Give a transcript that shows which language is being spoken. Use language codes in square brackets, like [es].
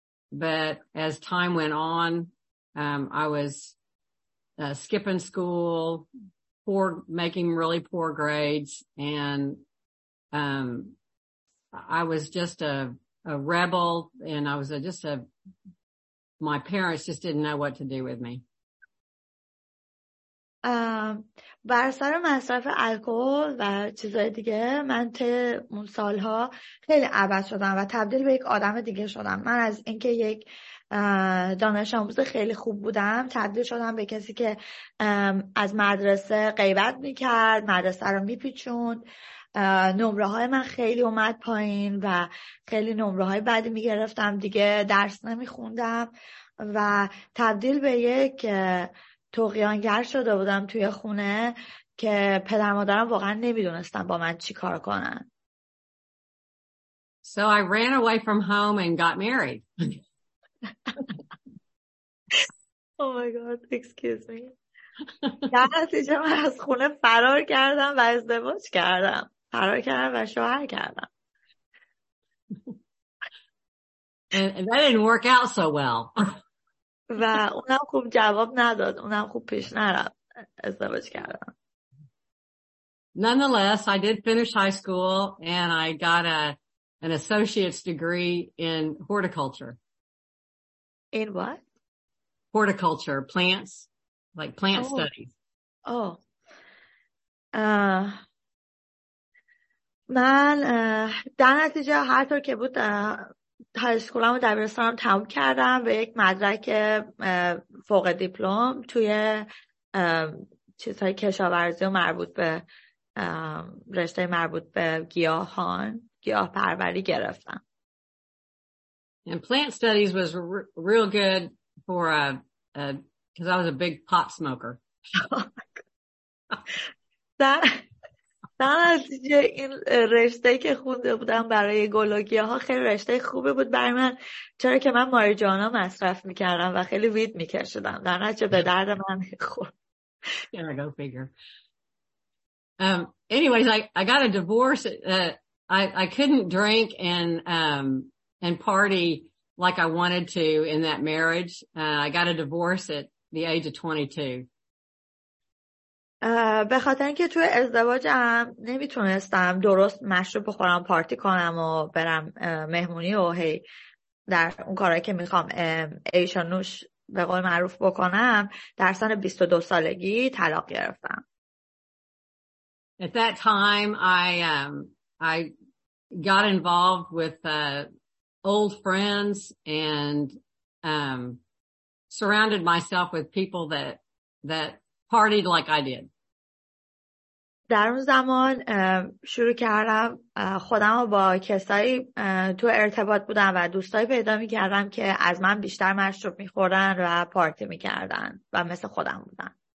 [en] But as time went on, I was skipping school, making really poor grades, and I was just a rebel, and I was my parents just didn't know what to do with me. [fa] بر سر مصرف الکل و چیزهای دیگه من ته اون سالها خیلی عبد شدم و تبدیل به یک آدم دیگه شدم. من از اینکه یک دانش آموز خیلی خوب بودم تبدیل شدم به کسی که از مدرسه غیبت میکرد، مدرسه رو میپیچوند، نمره های من خیلی اومد پایین و خیلی نمره های بعدی میگرفتم، دیگه درس نمیخوندم و تبدیل به یک توقیانگر شده بودم توی خونه که پدر مادرم واقعا نمیدونستن با من چی کار کنن. [en] So I ran away from home and got married. Oh my god, excuse me. [fa] در نتیجه من از خونه فرار کردم و ازدواج کردم. فرار کردم و شوهر کردم. [en] And that didn't work out so well. [fa] و اونم خوب جواب نداد، اونم خوب پیش نرفت، ازدواج کردم. [en] Nonetheless, I did finish high school and I got an associate's degree in horticulture. In what? Horticulture, plants, like plant studies. Oh. [fa] من در نتیجه هر طور که بود هایسکولم و دبیرستانم تموم کردم به یک مدرک فوق دیپلم توی چیزهای کشاورزی و مربوط به رشته مربوط به گیاهان، گیاه پروری گرفتم. [en] And plant studies was real good for because I was a big pot smoker. [fa] در نتیجه این رشته که خونده بودم برای گل و گیاه ها خیلی رشته خوبه بود برای من، چرا که من ماریجوانا مصرف میکردم و خیلی وید میکشدم، در نتیجه به درد من خورد. [en] Yeah, go figure. Anyways, I got a divorce. I couldn't drink and party like I wanted to in that marriage. I got a divorce at the age of 22. [fa] به خاطر اینکه توی ازدواجم نمیتونستم درست مشروب بخورم، پارتی کنم و برم مهمونی و هی در اون کارهایی که میخوام عیش و نوش به قول معروف بکنم، در سن 22 سالگی طلاق گرفتم. [en] At that time I got involved with old friends and surrounded myself with people that partied like I did. [fa] در اون زمان شروع کردم خودم رو با کسایی تو ارتباط بودم و دوستایی پیدا می کردم که از من بیشتر مشروب می خوردن و پارتی می کردن و مثل خودم بودن.